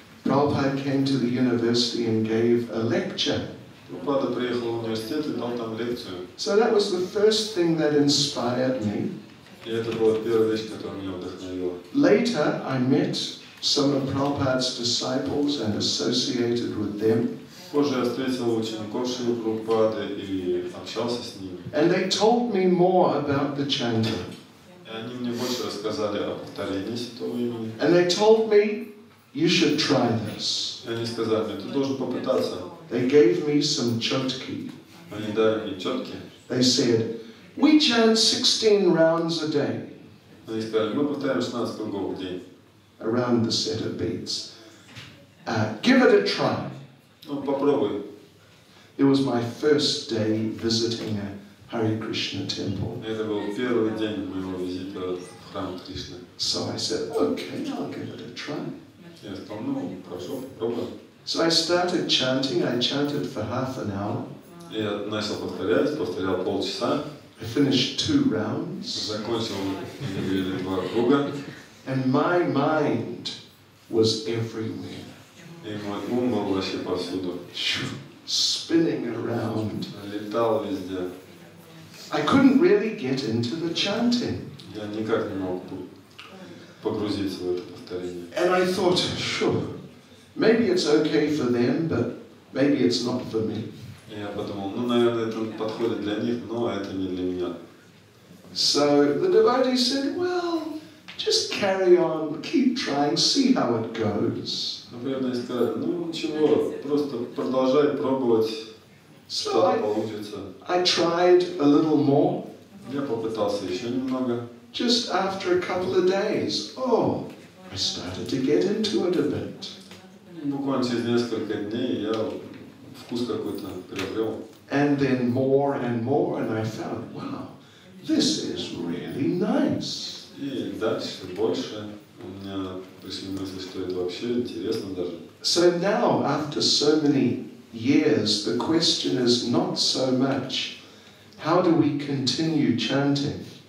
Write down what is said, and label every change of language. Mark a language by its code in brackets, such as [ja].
[en] Prabhupada came to the university and gave a lecture. [ru] Prabhupada приехал в университет и дал там лекцию. [en] So that was the first thing that inspired me. [ru] И это была первая вещь, которая меня вдохновила. [en] Later, I met some of Prabhupada's disciples and associated with them. [ru] Позже я встретил учеников Шрилы Прабхупады и общался с ними. [en] And they told me more about the chanta. [ru] И они мне больше рассказали о повторении святого имени. [en] And they told me, you should try this. [ru] И они сказали мне, ты должен попытаться. [en] They gave me some chotki. [ru] Они дали мне чотки. [en] They said, we chant 16 rounds a day. [ru] Они сказали, мы повторяем 16 кругов в день. [en] Around the set of beats. Give it a try. [ru] Ну, попробуй. [en] It was my first day visiting a Hare Krishna temple. [ru] Это был первый день моего визита в храм Кришны. [en] So I said, okay, I'll give it a try. [ru] Я сказал, ну, хорошо, попробуем. [en] So I started chanting. I chanted for half an hour. [ru] Я начал повторять, повторял полчаса. [en] I finished two rounds. [ru] Закончил два круга. [en] And my mind was everywhere. [ru] И мой ум был вообще повсюду. [en] Spinning around. [ru] Летал везде. [en] I couldn't really get into the chanting. [ru] Я никак не мог погрузиться в это повторение. [en] And I thought, sure, maybe it's okay for them, but maybe it's not for me. [ru] Я подумал, ну, наверное, это подходит для них, но это не для меня. [en] So the devotee said, well, just carry on, keep trying, see how it goes. [ru] Наверное, сказали, ну ничего, просто продолжай пробовать, [en] so [ru] что-то [en] I, [ru] получится. [en] I tried a little more. [ru] Я попытался еще немного. [en] Just after a couple of days, oh, I started to get into it a bit. [ru] Буквально через несколько дней я вкус какой-то приобрел. [en] And then more and more, and I found, wow, this is really nice. [ru] И дальше больше. У меня пришли мысли, что это вообще интересно даже. [en] So now, after so many years, the question is not so much, how do we continue chanting?